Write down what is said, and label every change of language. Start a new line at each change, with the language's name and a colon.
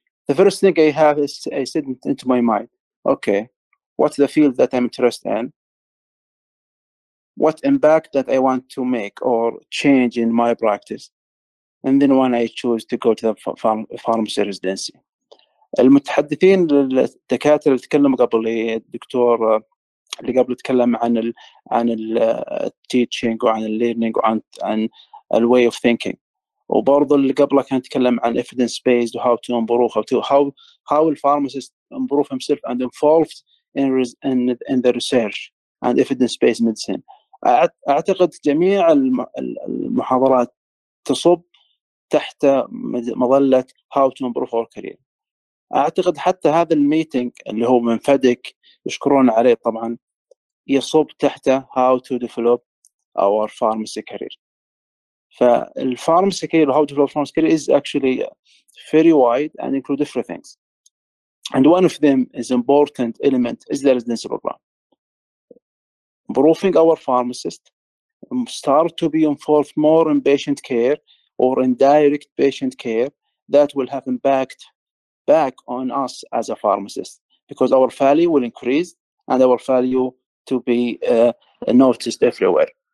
English: The first thing I have is I said into my mind, okay, what's the field that I'm interested in? What impact that I want to make or change in my practice? And then when I choose to go to the pharmacy residency.
Arabic: المتحدثين الدكاترة اللي تكلم قبل الدكتور اللي قبل تكلم عن
English: teaching
Arabic: وعن
English: learning
Arabic: وعن
English: way of thinking.
Arabic: وبرضه اللي قبله كان يتكلم عن
English: evidence based and how to improve how the pharmacist improve himself and involved in the research and evidence based medicine.
Arabic: أعتقد جميع المحاضرات تصب تحت مظلة
English: how to improve our career.
Arabic: أعتقد حتى هذا الميتنج اللي هو من فادك يشكرون عليه طبعا يصب تحت
English: how to develop our pharmacy career.
Arabic: فالفارمسي كير
English: how to develop pharmacy career is actually very wide and include different things. And one of them is important element is the residency program. Improving our pharmacist start to be involved more in patient care or in direct patient care that will have impact back on us as a pharmacist because our value will increase and our value to be noticed everywhere.